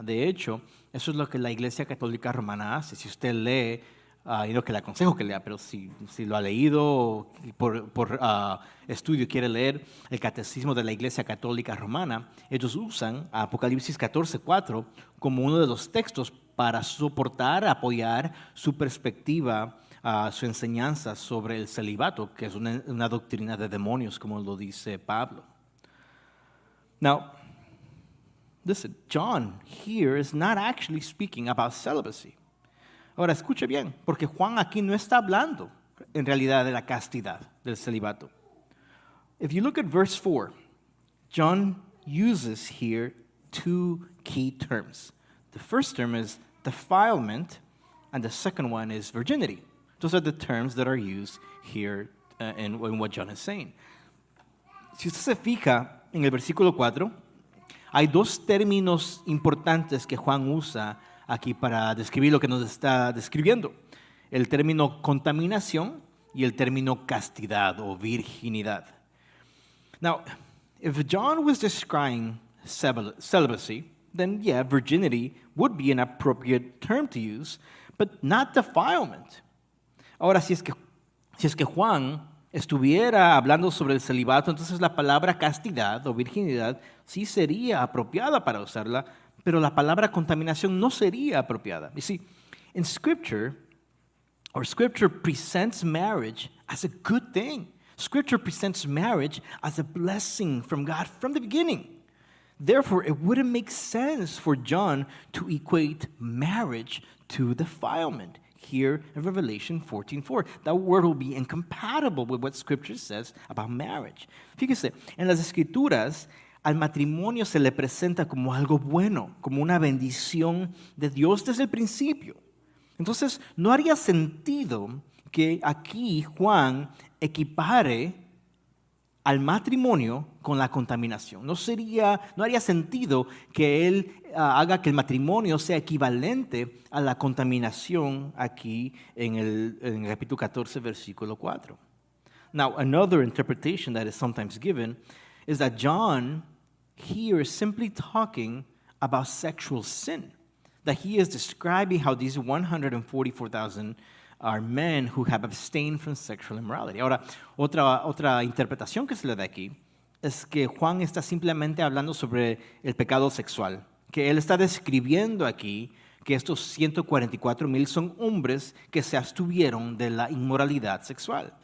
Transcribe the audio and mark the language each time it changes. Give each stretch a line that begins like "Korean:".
Spanish: De hecho, eso es lo que la Iglesia Católica Romana hace. Si usted lee, y no que le aconsejo que lea, pero si lo ha leído por estudio quiere leer el Catecismo de la Iglesia Católica Romana, ellos usan Apocalipsis 14:4 como uno de los textos para soportar, apoyar su perspectiva, su enseñanza sobre el celibato, que es una doctrina de demonios, como lo dice Pablo.
English: Now, listen, John here is not actually speaking about celibacy.
Spanish: Ahora, escuche bien, porque Juan aquí no está hablando, en realidad, de la castidad, del celibato.
English: If you look at verse 4, John uses here two key terms. The first term is defilement, and the second one is virginity. Those are the terms that are used here in what John is saying.
Spanish: Si usted se fija en el versículo 4, hay dos términos importantes que Juan usa aquí para describir lo que nos está describiendo. El término contaminación y el término castidad o virginidad.
English: Now, if John was describing celibacy, then yeah, virginity would be an appropriate term to use, but not defilement.
Spanish: Ahora, si es que Juan estuviera hablando sobre el celibato, entonces la palabra castidad o virginidad sí sería apropiada para usarla, pero la palabra contaminación no sería apropiada.
English: You see, in Scripture, or Scripture presents marriage as a good thing. Scripture presents marriage as a blessing from God from the beginning. Therefore, it wouldn't make sense for John to equate marriage to defilement here in Revelation 14:4. That word will be incompatible with what Scripture says about marriage.
Spanish: Fíjese, en las Escrituras, al matrimonio se le presenta como algo bueno, como una bendición de Dios desde el principio. Entonces, no haría sentido que aquí Juan equipare al matrimonio con la contaminación. No haría sentido que él haga que el matrimonio sea equivalente a la contaminación aquí en el capítulo 14, versículo 4.
English: Now, another interpretation that is sometimes given is that John here is simply talking about sexual sin, that he is describing how these 144,000 are men who have abstained from sexual immorality.
Spanish: Ahora, otra interpretación que se le da aquí es que Juan está simplemente hablando sobre el pecado sexual, que él está describiendo aquí que estos 144,000 son hombres que se abstuvieron de la inmoralidad sexual.